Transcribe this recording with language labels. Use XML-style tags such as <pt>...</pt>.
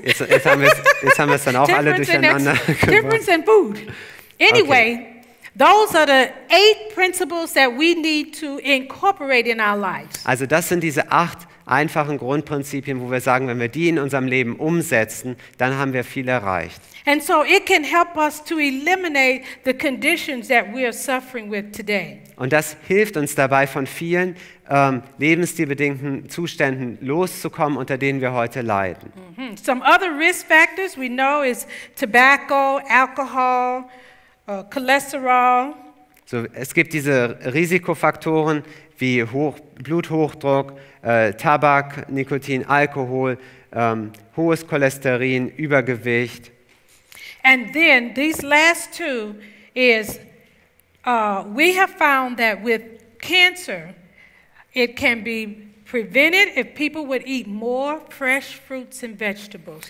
<de>Jetzt haben wir es dann auch alle durcheinander.</de> <en>Temperance and food. Anyway, okay. Those are the eight principles that we need to incorporate in our lives.</en> <de>Also das sind diese acht einfachen Grundprinzipien, wo wir sagen, wenn wir die in unserem Leben umsetzen, dann haben wir viel erreicht.</de> <en>And so it can help us to eliminate the conditions that we are suffering with today.</en> <de>Und das hilft uns dabei, von vielen lebensstilbedingten Zuständen loszukommen, unter denen wir heute leiden. Mm-hmm.</de> <en>Some other risk factors we know is tobacco, alcohol, cholesterol.</en> <de>So, es gibt diese Risikofaktoren wie Bluthochdruck, Tabak, Nikotin, Alkohol, hohes Cholesterin, Übergewicht.</de> <en>And then these last two is we have found that with cancer it can be prevented if people would eat more fresh fruits and vegetables</en>